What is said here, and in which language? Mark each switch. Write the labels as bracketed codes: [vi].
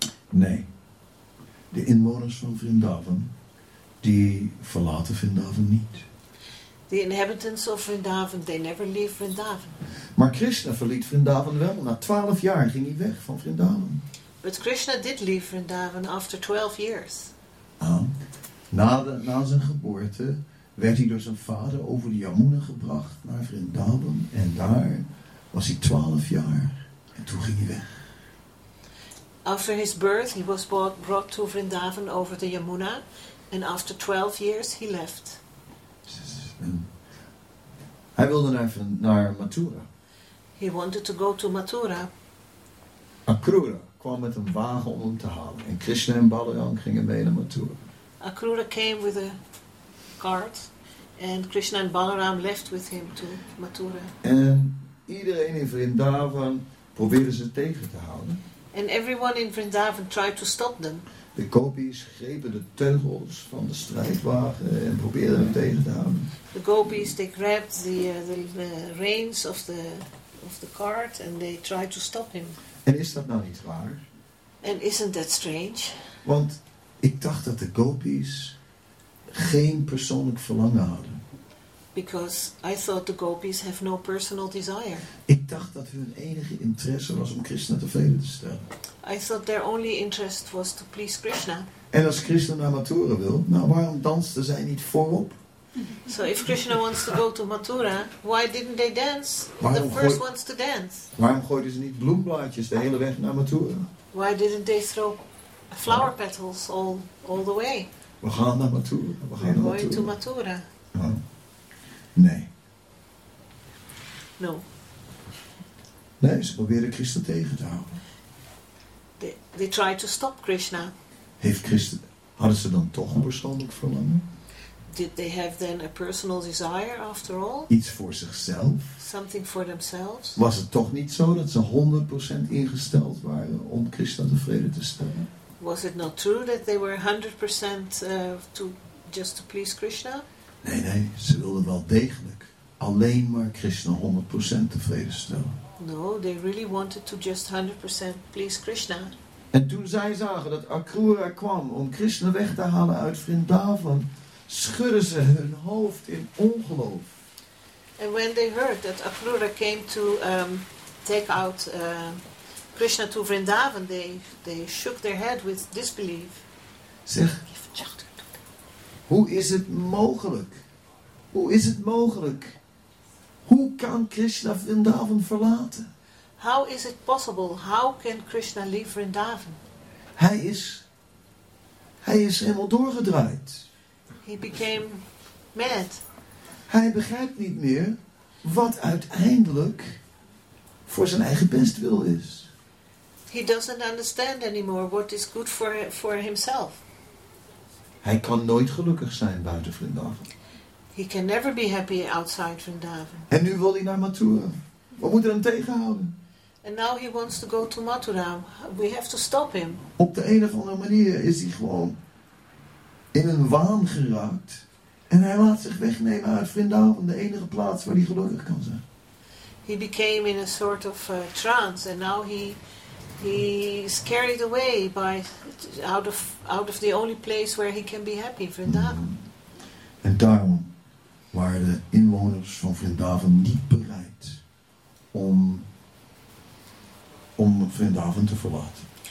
[nl] Nee, de inwoners van Vrindavan, die verlaten Vrindavan niet. [en] The inhabitants of Vrindavan, they never leave Vrindavan. [nl] Maar Krishna verliet Vrindavan wel. Na 12 jaar ging hij weg van Vrindavan. [en] But Krishna did leave Vrindavan after 12 years. [nl] Na zijn geboorte werd hij door zijn vader over de Yamuna gebracht naar Vrindavan. En daar was hij 12 jaar. En toen ging hij weg. [en] After his birth, he was brought to Vrindavan over the Yamuna. And after 12 years, he left. [nl] En hij wilde naar Mathura. [en] He wanted to go to Mathura. [nl] Akrura kwam met een wagen om hem te halen. En Krishna en Balaram gingen mee naar Mathura. [en] Akrura came with a cart. And Krishna and Balaram left with him to Mathura. [nl] En iedereen in Vrindavan probeerde ze tegen te houden. [en] And everyone in Vrindavan tried to stop them. [nl] De gopis grepen de teugels van de strijdwagen en probeerden hem tegen te houden. [en] The gopis, they grabbed the reins of the cart and they tried to stop him. [nl] En is dat nou niet waar? [en] And isn't that strange? [nl] Want ik dacht dat de gopis geen persoonlijk verlangen hadden. [en] Because I thought the gopis have no personal desire. [nl] Ik dacht dat hun enige interesse was om Krishna tevreden te stellen. [en] I thought their only interest was to please Krishna. [nl] En als Krishna naar Mathura wil, nou waarom dansten zij niet voorop? [en] So if Krishna wants to go to Mathura, why didn't they dance? The first ones to dance. [nl] Waarom gooiden ze niet bloemblaadjes de hele weg naar Mathura? [en] Why didn't they throw flower petals all the way? [nl] We gaan naar Mathura. [en] We're going to Mathura. [nl] Nee. [en] No. [nl] Nee, ze probeerden Krishna tegen te houden. [en] They tried to stop Krishna. [nl] Hadden ze dan toch een persoonlijk verlangen? [en] Did they have then a personal desire after all? [nl] Iets voor zichzelf? [en] Something for themselves? [nl] Was het toch niet zo dat ze 100% ingesteld waren om Krishna tevreden te stellen? [en] Was it not true that they were 100% to just to please Krishna? [nl] Nee, nee, ze wilden wel degelijk alleen maar Krishna 100% tevreden stellen. [en] No, they really wanted to just 100% please Krishna. [nl] En toen zij zagen dat Akrura kwam om Krishna weg te halen uit Vrindavan, schudden ze hun hoofd in ongeloof. [en] And when they heard that Akrura came to take out Krishna to Vrindavan, they shook their head with disbelief. [nl] Zeg, hoe is het mogelijk? Hoe is het mogelijk? Hoe kan Krishna Vrindavan verlaten? [en] How is it possible? How can Krishna leave Vrindavan? [nl] Hij is helemaal doorgedraaid. [en] He became mad. [nl] Hij begrijpt niet meer wat uiteindelijk voor zijn eigen bestwil is. [en] He doesn't understand anymore what is good for himself. [nl] Hij kan nooit gelukkig zijn buiten Vrindavan. [en] He can never be happy outside Vrindavan. [nl] En nu wil hij naar Mathura. Wat moet er hem tegenhouden? [en] And now he wants to go to Mathura. We have to stop him. [nl] Op de een of andere manier is hij gewoon in een waan geraakt. En hij laat zich wegnemen uit Vrindavan, de enige plaats waar hij gelukkig kan zijn. [en] He became in a sort of trance. And now he is carried away by out of the only place where he can be happy, Vrindavan. [nl] En daarom waren de inwoners van Vrindavan niet bereid om Vrindavan te verlaten.